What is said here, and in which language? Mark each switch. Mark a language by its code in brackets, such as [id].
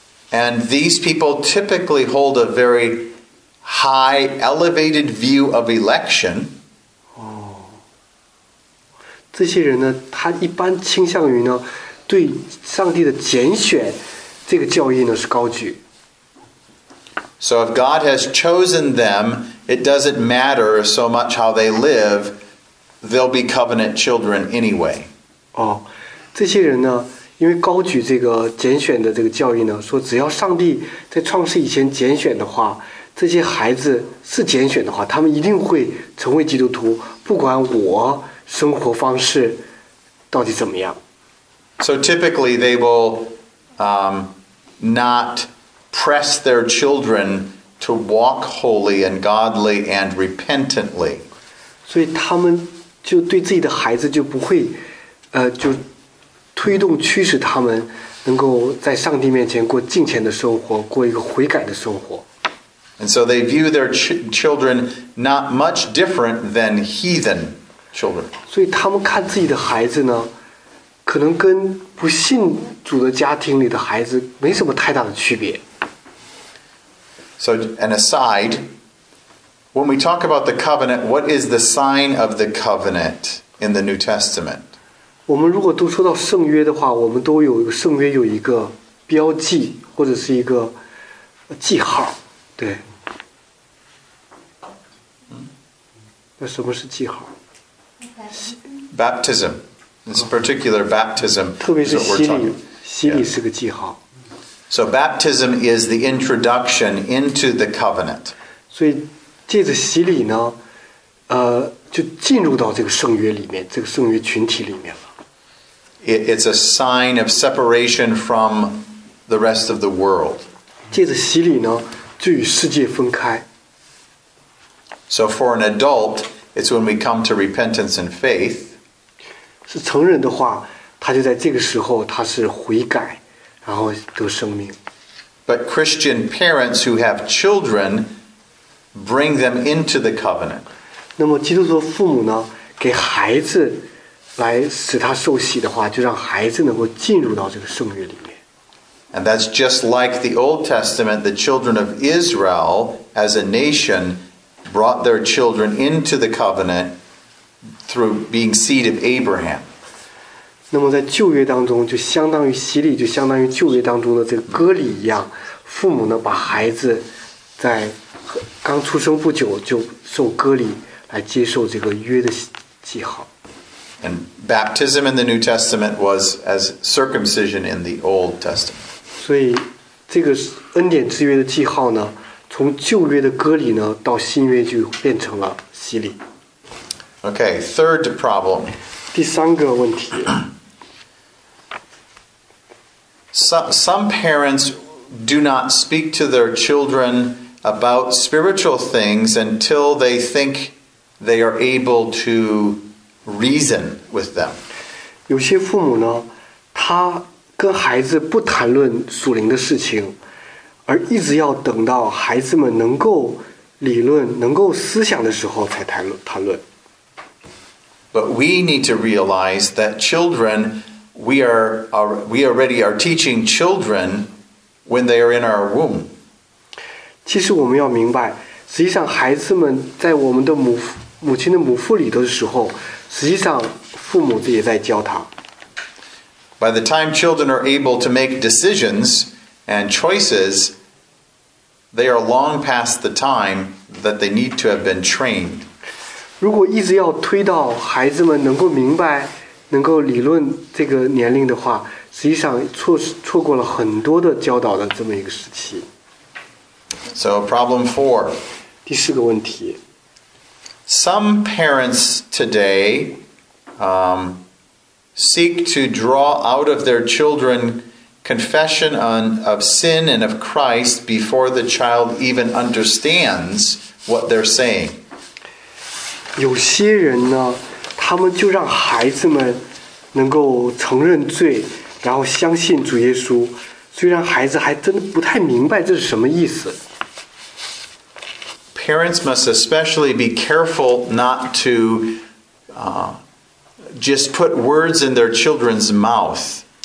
[en] And these people typically hold a very high, elevated view of election. [zh] 这些人呢，他一般倾向于呢，对上帝的拣选这个教义呢是高举。 [en] So if God has chosen them, it doesn't matter so much how they live; they'll be covenant children anyway. [zh] 哦，这些人呢，因为高举这个拣选的这个教义呢，说只要上帝在创世以前拣选的话，这些孩子是拣选的话，他们一定会成为基督徒，不管我生活方式到底怎么样。 [en] So typically they will not press their children to walk holy and godly and repentantly. [zh] 所以他们就对自己的孩子就不会就推动驱使他们能够在上帝面前过敬虔的生活，过一个悔改的生活。 [en] And so they view their children not much different than heathen children. [zh] 所以他们看自己的孩子呢，可能跟不信主的家庭里的孩子没什么太大的区别。 [en] So an aside, when we talk about the covenant, what is the sign of the covenant in the New Testament? [zh] 我们如果都说到圣约的话，我们都有圣约有一个标记或者是一个记号，对。那什么是记号？ [en] Baptism. This particular baptism. [zh] 特别是洗礼，洗礼是个记号。 [en] So baptism is the introduction into the covenant. [zh] 所以借着洗礼呢，就进入到这个圣约里面，这个圣约群体里面了。 [en] It's a sign of separation from the rest of the world. [zh] 借着洗礼呢，就与世界分开。 [en] So for an adult, it's when we come to repentance and faith. [zh] 是成人的话，他就在这个时候，他是悔改。然后得生命。 [en] But Christian parents who have children bring them into the covenant. [zh] 那么基督徒父母呢，给孩子来使他受洗的话，就让孩子能够进入到这个圣约里面。 [en] And that's just like the Old Testament, the children of Israel as a nation brought their children into the covenant through being seed of Abraham. [zh] 那么在旧约当中，就相当于洗礼，就相当于旧约当中的这个割礼一样，父母呢把孩子在刚出生不久就受割礼，来接受这个约的记号。 [en] And baptism in the New Testament was as circumcision in the Old Testament. [zh] 所以这个恩典之约的记号呢，从旧约的割礼呢，到新约就变成了洗礼。 [en] Okay, third problem. [zh] 第三个问题。 [en] Some parents do not speak to their children about spiritual things until they think they are able to reason with them. [zh] 有些父母呢，他跟孩子不谈论属灵的事情，而一直要等到孩子们能够理论、能够思想的时候才谈论。 [en] But we need to realize that children, we already are teaching children when they are in our womb. [zh] 其实我们要明白，实际上孩子们在我们的母亲的母腹里的时候，实际上父母也在教他。 [en] By the time children are able to make decisions and choices, they are long past the time that they need to have been trained. [zh] 如果一直要推到孩子们能够明白、能够理论这个年龄的话，实际上错过了很多的教导的这么一个时期。 [en] So problem four. [zh] 第四个问题。 [en] Some parents today, seek to draw out of their children confession of sin and of Christ before the child even understands what they're saying. [zh] 有些人呢，他们就让孩子们能够承认罪，然后相信主耶稣，虽然孩子还真的不太明白这是什么意思。 [en] Parents must especially be careful not to just put words in their children's mouth.